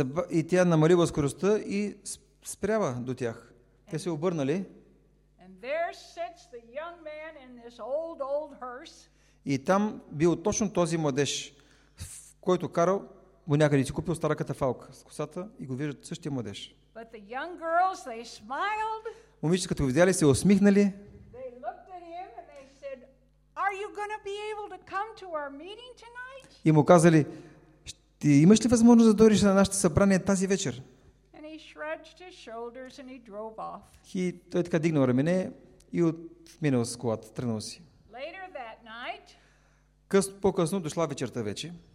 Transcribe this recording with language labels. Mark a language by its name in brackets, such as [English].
[Bulgarian] И тя намалила скоростта и спрява до тях. Те се обърнали. [English] And there sits the young man in this old, old hearse. [Bulgarian] И там бил точно този младеж, който карал, го някъде си купил стара катафалка с косата и го виждат същия младеж. [English] But the young girls, they smiled. [Bulgarian] Момичета, като го видяли, се усмихнали. [English] They looked at him and they said, "Are you going to be able to come to our meeting tonight?" [Bulgarian] И му казали, "Ти имаш ли възможност да дойдеш на нашето събрание тази вечер?" [English] And he shrugged his shoulders and he drove off. [Bulgarian] И той така дигнал рамене и отминал с колата, тръгнал си. [English] Later that night, [Bulgarian] по-късно дошла вечерта вече.